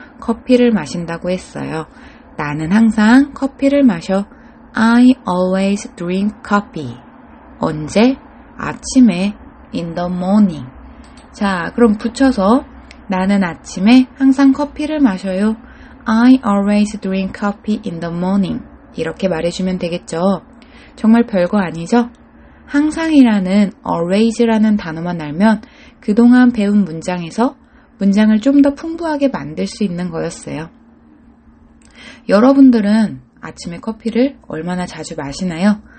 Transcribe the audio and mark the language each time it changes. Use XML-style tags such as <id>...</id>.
<ko>커피를 마신다고 했어요. 나는 항상 커피를 마셔.</ko> <en>I always drink coffee.</en> <ko>언제? 아침에.</ko> <en>In the morning.</en> <ko>자, 그럼 붙여서 나는 아침에 항상 커피를 마셔요.</ko> <en>I always drink coffee in the morning.</en> <ko>이렇게 말해주면 되겠죠. 정말 별거 아니죠? 항상이라는 always라는 단어만 알면 그동안 배운 문장에서 문장을 좀 더 풍부하게 만들 수 있는 거였어요. 여러분들은 아침에 커피를 얼마나 자주 마시나요?</ko>